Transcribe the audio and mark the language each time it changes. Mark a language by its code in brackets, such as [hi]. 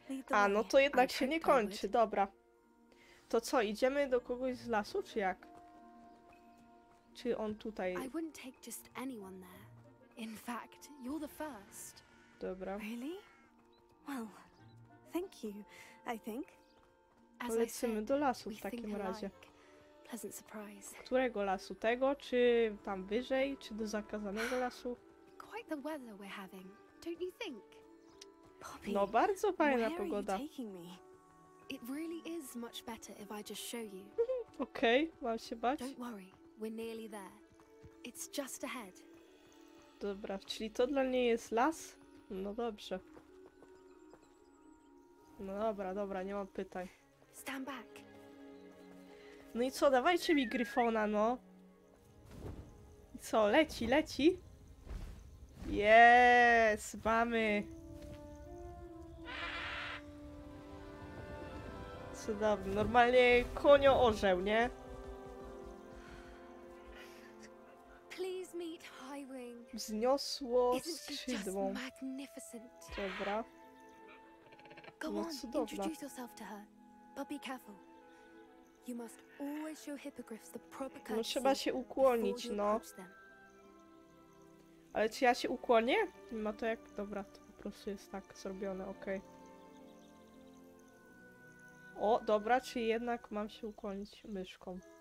[pl] A, no to jednak się nie kończy. Dobra. To co, idziemy do kogoś z lasu, czy jak? Czy on tutaj... [en] I wouldn't take just anyone there. In fact, you're the first. [pl] Dobra. [en] Really? Well, thank you, I think. [pl] Polecimy do lasu w takim razie. [en] Pleasant surprise. [pl] Którego lasu? Tego, czy tam wyżej, czy do zakazanego lasu? [en] Quite the weather we're having, don't you think? Poppy, [pl] no bardzo fajna pogoda. [en] It really is much better if I just show you. [pl] Okej, mam się bać. [en] Don't worry, we're nearly there. It's just ahead. [pl] Dobra, czyli to dla niej jest las? No dobrze. No dobra, dobra, nie mam pytań. [en] Stand back. [pl] No i co, dawajcie mi Gryfona, no. I co, leci, leci. Yes, mamy. Cudownie, normalnie konio orzeł, nie? [en] Please meet Highwing. [pl] Wzniosło skrzydło. Dobra. [en] Go on, introduce yourself to her. But be careful. You must always show hippogriffs the proper courtesy. [pl] No trzeba się ukłonić, no. Ale czy ja się ukłonię? Nie ma to jak. Dobra, to po prostu jest tak zrobione, okej. O, dobra, czy jednak mam się ukłonić myszką?